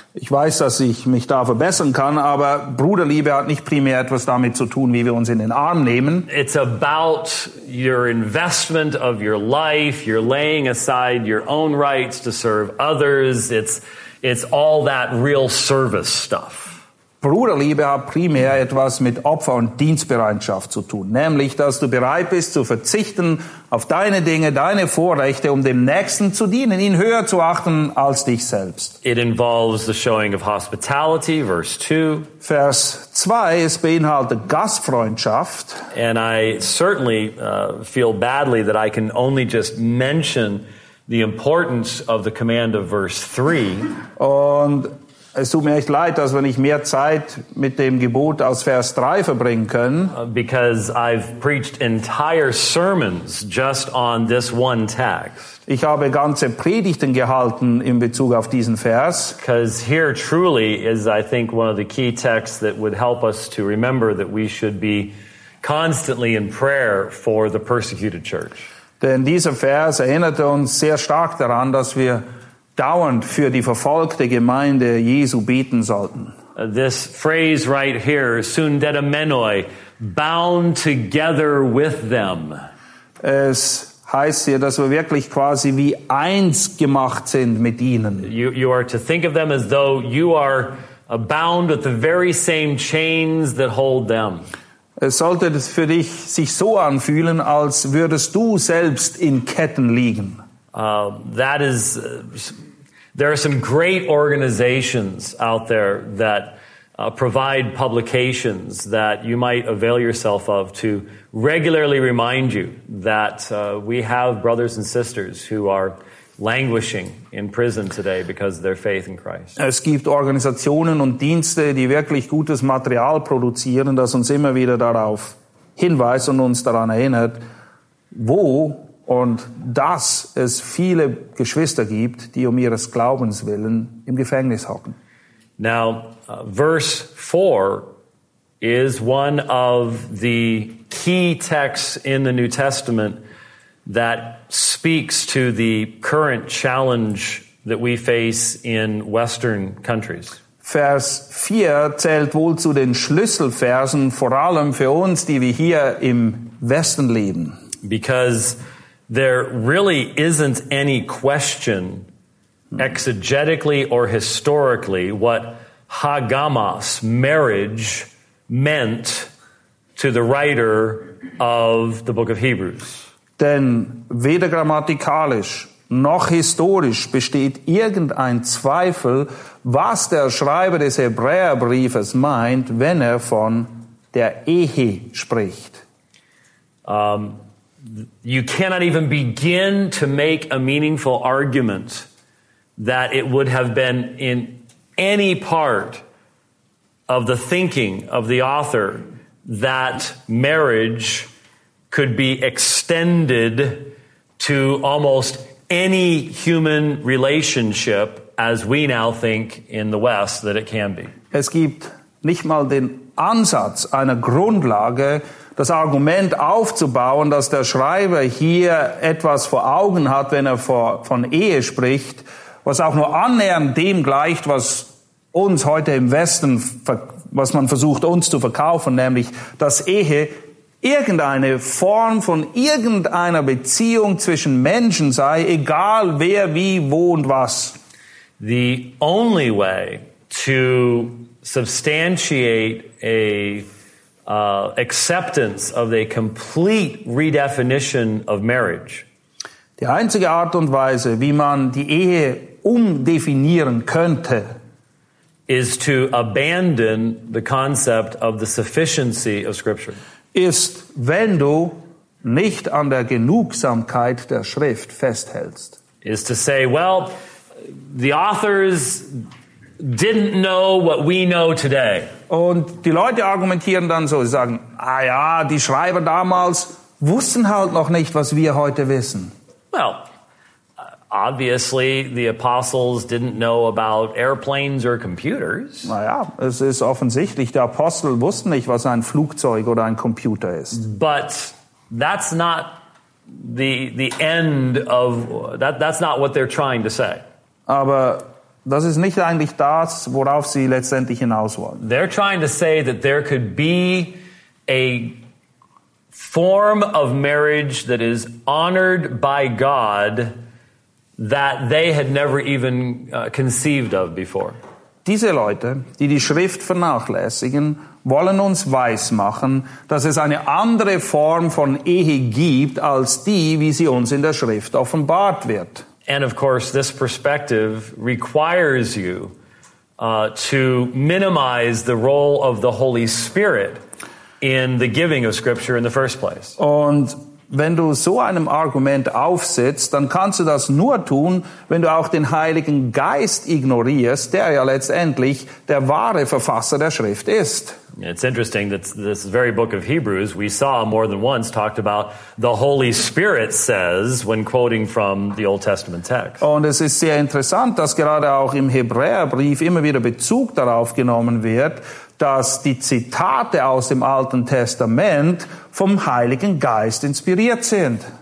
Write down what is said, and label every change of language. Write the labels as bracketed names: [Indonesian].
[German] Ich weiß, dass ich mich da verbessern kann, aber Bruderliebe hat nicht primär etwas damit zu tun, wie wir uns in den Arm nehmen. [English] It's about your investment of your life, your laying aside your own rights to serve others. It's all that real service stuff. [German] Bruderliebe hat primär etwas mit Opfer- und Dienstbereitschaft zu tun, nämlich, dass du bereit bist zu verzichten auf deine Dinge, deine Vorrechte, um dem Nächsten zu dienen, ihn höher zu achten als dich selbst. [English] It involves the showing of hospitality, verse 2. [German] Vers 2, es beinhaltet Gastfreundschaft. [English] And I certainly feel badly that I can only just mention the importance of the command of verse 3. [German] Und es tut mir echt leid, dass wir nicht mehr Zeit mit dem Gebot aus Vers 3 verbringen können. [English] Because I've preached entire sermons just on this one text. [German] Ich habe ganze Predigten gehalten in Bezug auf diesen Vers. [English] Because here truly is, I think, one of the key texts that would help us to remember that we should be constantly in prayer for the persecuted church. [German] Denn dieser Vers erinnert uns sehr stark daran, dass wir dauernd für die verfolgte Gemeinde Jesu beten sollten. [English] This phrase right here, sundedamenoi, bound together with them. [German] Es heißt hier, dass wir wirklich quasi wie eins gemacht sind mit ihnen. [English] You are to think of them as though you are bound with the very same chains that hold them. [German] Es sollte für dich sich so anfühlen, als würdest du selbst in Ketten liegen. [English] That is. There are some great organizations out there that provide publications that you might avail yourself of to regularly remind you that we have brothers and sisters who are languishing in prison today because of their faith in Christ. [German] Es gibt Organisationen und Dienste, die wirklich gutes Material produzieren, das uns immer wieder darauf Hinweis und uns daran erinnert, wo und dass es viele Geschwister gibt, die um ihres Glaubens willen im Gefängnis hocken. [English] Now, verse 4 is one of the key texts in the New Testament that speaks to the current challenge that we face in Western countries. [German] Vers 4 zählt wohl zu den Schlüsselversen, vor allem für uns, die wir hier im Westen leben. [English] Because there really isn't any question, exegetically or historically, what hagamos, marriage, meant to the writer of the book of Hebrews. [German] Denn weder grammatikalisch noch historisch besteht irgendein Zweifel, was der Schreiber des Hebräerbriefes meint, wenn er von der Ehe spricht. [English] You cannot even begin to make a meaningful argument that it would have been in any part of the thinking of the author that marriage could be extended to almost any human relationship as we now think in the West that it can be. [German] Es gibt nicht mal den Ansatz einer Grundlage, das Argument aufzubauen, dass der Schreiber hier etwas vor Augen hat, wenn er von Ehe spricht, was auch nur annähernd dem gleicht, was uns heute im Westen, was man versucht, uns zu verkaufen, nämlich, dass Ehe irgendeine Form von irgendeiner Beziehung zwischen Menschen sei, egal wer, wie, wo und was. [English] The only way to substantiate a acceptance of a complete redefinition of marriage. [German] Die einzige Art und Weise, wie man die Ehe umdefinieren könnte, [English] is to abandon the concept of the sufficiency of Scripture. [German] Ist, wenn du nicht an der Genugsamkeit der Schrift festhältst. [English] Is to say, well, the authors didn't know what we know today. [German] Und die Leute argumentieren dann so, sie sagen, ah ja, die Schreiber damals wussten halt noch nicht, was wir heute wissen. [English] Well, obviously the apostles didn't know about airplanes or computers. [German] Naja, es ist offensichtlich, die Apostel wussten nicht, was ein Flugzeug oder ein Computer ist. [English] But that's not the end of that. That's not what they're trying to say. [German] Aber das ist nicht eigentlich das, worauf sie letztendlich hinaus wollen. [English] They're trying to say that there could be a form of marriage that is honored by God that they had never even conceived of before. [German] Diese Leute, die die Schrift vernachlässigen, wollen uns weismachen, dass es eine andere Form von Ehe gibt als die, wie sie uns in der Schrift offenbart wird. [English] And of course, this perspective requires you to minimize the role of the Holy Spirit in the giving of Scripture in the first place. [German] Und wenn du so einem Argument aufsitzt, dann kannst du das nur tun, wenn du auch den Heiligen Geist ignorierst, der ja letztendlich der wahre Verfasser der Schrift ist. [English] It's interesting that this very book of Hebrews, we saw more than once, talked about the Holy Spirit says when quoting from the Old Testament text. [German] Und es ist sehr interessant, dass gerade auch im Hebräerbrief immer wieder Bezug darauf genommen wird, dass die Zitate aus dem Alten Testament vom Heiligen Geist inspiriert sind.